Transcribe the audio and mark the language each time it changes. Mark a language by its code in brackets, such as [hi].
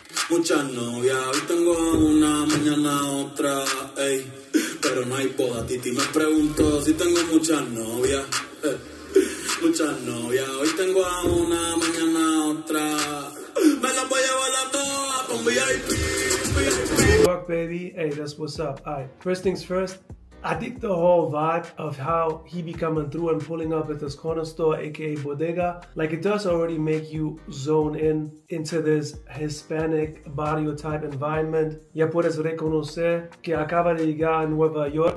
[es] Muchas novias, hoy tengo una, mañana otra, ey. Pero no hay boda, Titi me preguntó si tengo muchas novias. Muchas novias, hoy tengo una, mañana otra. Me las voy a llevar a todas con VIP, VIP. [en] Fuck, baby, ey, that's what's up. Alright, first things first, I dig the whole vibe of how he be coming through and pulling up at this corner store, aka bodega. Like, it does already make you zone in into this Hispanic barrio type environment. [es] Ya puedes reconocer que acaba de llegar a Nueva York.